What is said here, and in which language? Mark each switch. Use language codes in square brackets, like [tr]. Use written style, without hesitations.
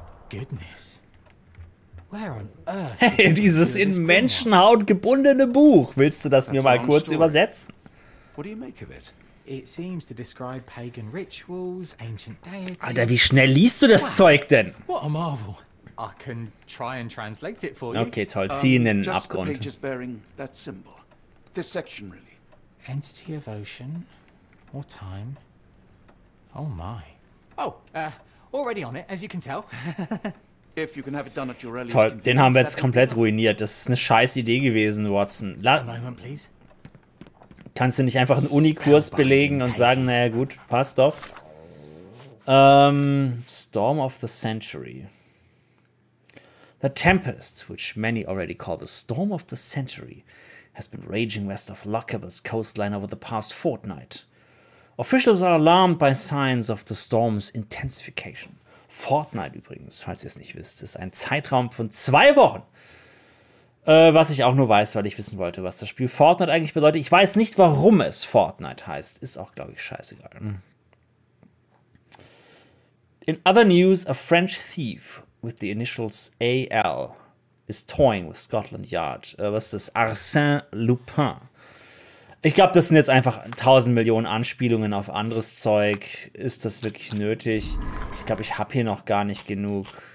[en] Goodness. Where on earth? [de] Hey, dieses in Menschenhaut gebundene Buch. Willst du das mir mal kurz übersetzen? [en] What do you make of it? It seems to describe pagan rituals, ancient deities. [de] Alter, wie schnell liest du das Zeug denn? [en] What a marvel. I can try and translate it for you. [de] Okay, toll. Zieh in den Abgrund. [en] Just the pages bearing that symbol. This section, really. Entity of ocean or time. Oh, my. Oh, already on it, as you can tell. If you can have it done at your earliest [de] convenience. Toll, den haben wir jetzt komplett ruiniert. Das ist eine scheiß Idee gewesen, Watson. [en] Moment, please. [de] Kannst du nicht einfach einen Unikurs belegen und sagen, naja, gut, passt doch. [en] Storm of the Century. The Tempest, which many already call the Storm of the Century, has been raging west of Lochaber's coastline over the past fortnight. Officials are alarmed by signs of the storm's intensification. [de] Fortnight übrigens, falls ihr es nicht wisst, ist ein Zeitraum von 2 Wochen. Was ich auch nur weiß, weil ich wissen wollte, was das Spiel Fortnite eigentlich bedeutet. Ich weiß nicht, warum es Fortnite heißt. Ist auch, glaube ich, scheißegal. [en] In other news, a French thief with the initials AL is toying with Scotland Yard. [de] Was ist das? Arsène Lupin. Ich glaube, das sind jetzt einfach 1000 Millionen Anspielungen auf anderes Zeug. Ist das wirklich nötig? Ich glaube, ich habe hier noch gar nicht genug.